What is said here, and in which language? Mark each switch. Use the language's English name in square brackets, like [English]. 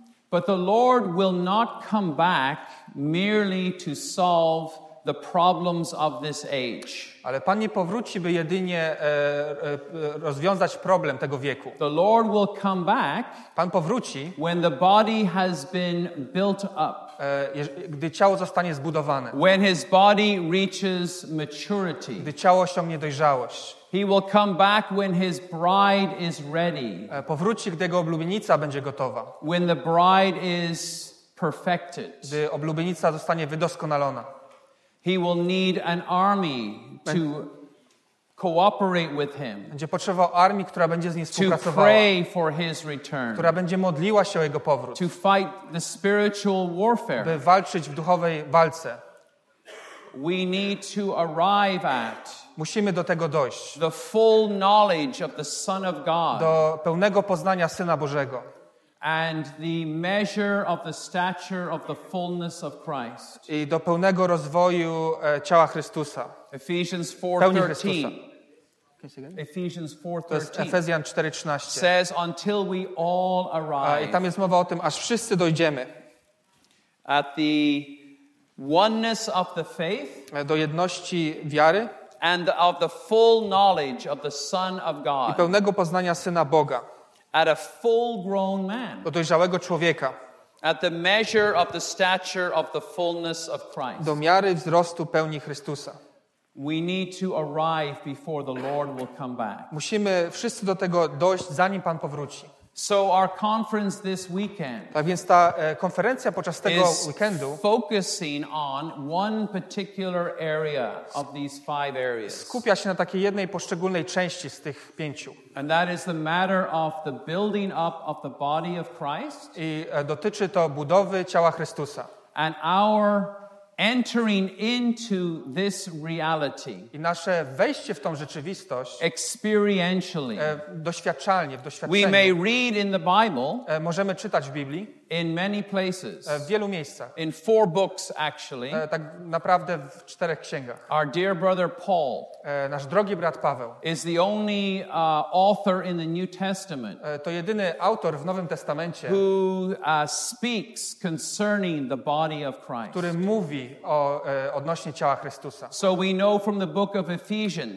[English] But the Lord will not come back merely to solve the problems of this age. [Polish] Ale Pan nie powróci, by jedynie rozwiązać problem tego wieku. [English] The Lord will come back. [Polish] Pan powróci, [English] when the body has been built up. [Polish] Gdy ciało zostanie zbudowane. [English] When his body reaches maturity. [Polish] Gdy ciało osiągnie dojrzałość. [English] He will come back when his bride is ready. [Polish] Powróci, gdy jego oblubienica będzie gotowa. [English] When the bride is perfected. [Polish] Gdy oblubienica zostanie wydoskonalona. [English] He will need an army to cooperate with him. [Polish] Będzie potrzebował armii, która będzie z nim współpracowała. [English] To pray for his return. [Polish] Która będzie modliła się o jego powrót. [English] To fight the spiritual warfare. [Polish] By walczyć w duchowej walce. [English] We need to arrive at. [Polish] Musimy do tego dojść. [English] The full knowledge of the Son of God. [Polish] Do pełnego poznania Syna Bożego. [English] And the measure of the stature of the fullness of Christ. [Polish] I do pełnego rozwoju ciała Chrystusa. [English] Ephesians 4:13. Ephesians 4:13 says until we all arrive. [Polish] I tam jest mowa o tym, aż wszyscy dojdziemy. [English] At the oneness of the faith. [Polish] Do jedności wiary. [English] And of the full knowledge of the Son of God. [Polish] I pełnego poznania Syna Boga. [English] At a full-grown man. [Polish] Do dojrzałego człowieka. [English] At the measure of the stature of the fullness of Christ. [Polish] Do miary wzrostu pełni Chrystusa. [English] We need to arrive before the Lord will come back. [Polish] Musimy wszyscy do tego dojść, zanim Pan powróci. [English] So our conference this weekend. [Polish] Tak więc ta konferencja podczas tego weekendu. [English] Focusing on one particular area of these five areas. [Polish] Skupia się na takiej jednej poszczególnej części z tych pięciu. [English] And that is the matter of the building up of the body of Christ. [Polish] I dotyczy to budowy ciała Chrystusa. [English] And our entering into this reality. [Polish] I nasze wejście w tą rzeczywistość. [English] Experientially. [Polish] Doświadczalnie, w doświadczeniu. [English] We may read in the Bible. [Polish] Możemy czytać w Biblii. [English] In many places. [Polish] W wielu miejscach. [English] In four books actually. [Polish] Tak naprawdę w czterech księgach. [English] Our dear brother Paul. [Polish] Nasz drogi brat Paweł. [English] Is the only author in the New Testament. [Polish] To jedyny autor w Nowym Testamencie. [English] Who speaks concerning the body of Christ. [Polish] Który mówi o odnośnie ciała Chrystusa. [English] So we know from the book of Ephesians.